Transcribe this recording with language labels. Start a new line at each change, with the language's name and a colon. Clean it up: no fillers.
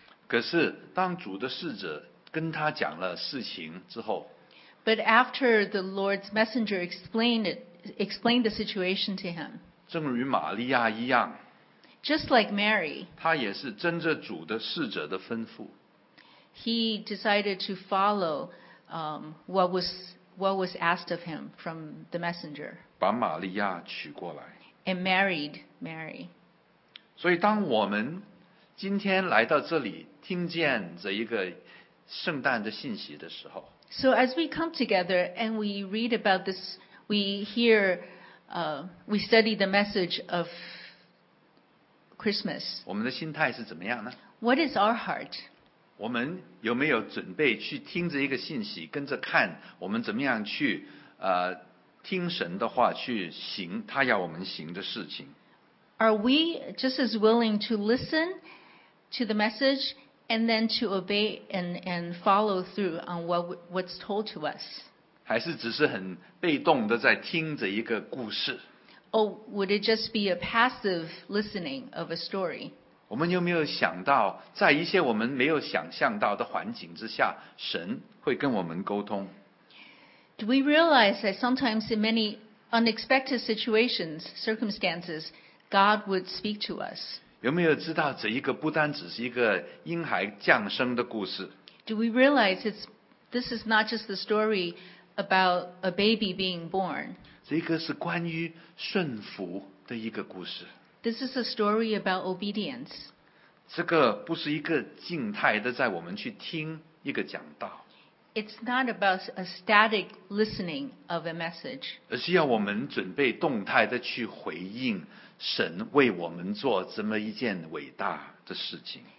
Chinese: 可是当主的使者跟他讲了事情之后，
English: But after the Lord's messenger explained the situation to him,
Chinese: 正如玛利亚一样，
English: just like Mary,
Chinese: 他也是遵着主的使者的吩咐，
English: he decided to follow what was asked of him from the messenger.
Chinese: 把玛利亚娶过来。
English: And married Mary.
Chinese: 所以当我们今天来到这里听见这一个圣诞的信息的时候。
English: So as we come together and we read about this, we hear, we study the message of Christmas.
Chinese: 我们的心态是怎么样呢？
English: What is our heart?
Chinese: 我们有没有准备去听这一个信息，跟着看我们怎么样去听神的话，去行他要我们行的事情
English: ？Are we just as willing to listen to the message and then to obey and follow through on what's told to us？
Chinese: 还是只是很被动的在听着一个故事
English: ？Or would it just be a passive listening of a story？
Chinese: 我们有没有想到，在一些我们没有想象到的环境之下，神会跟我们沟通
English: ？Do we realize that sometimes in many unexpected situations, circumstances, God would speak to us？
Chinese: 有没有知道这一个不单只是一个婴孩降生的故事
English: ？Do we realize this is not just the story about a baby being born？
Chinese: 这一个是关于顺服的一个故事。
English: This is a story about obedience.
Chinese: 这个不是一个静态的在我们去听一个讲道。
English: It's not about a static listening of a message.
Chinese: 而是要我们准备动态的去回应神为我们做这么一件伟大的事情。